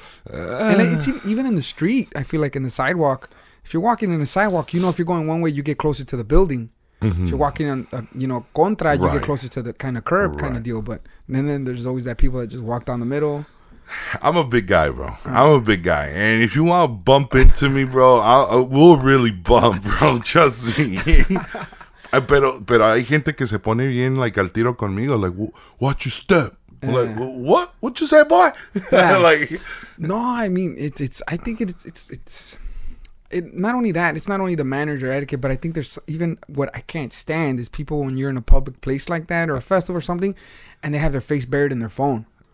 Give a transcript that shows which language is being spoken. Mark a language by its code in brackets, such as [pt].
[en] and like, it's even in the street, I feel like in the sidewalk, if you're walking in the sidewalk, you know, if you're going one way you get closer to the building, if you're walking on you know, contra, you get closer to the kind of curb kind of deal, but then there's always that people that just walk down the middle. I'm a big guy, bro. I'm a big guy. And if you want to bump into me, bro, we'll really bump, bro. Trust me. [es] pero hay gente que se pone bien, like, al tiro conmigo. [en] Like, watch your step. Like, what? What you say, boy? Like, no, I mean, I think it's not only that. It's not only the manners or etiquette, but I think there's even what I can't stand is people when you're in a public place like that or a festival or something, and they have their face buried in their phone.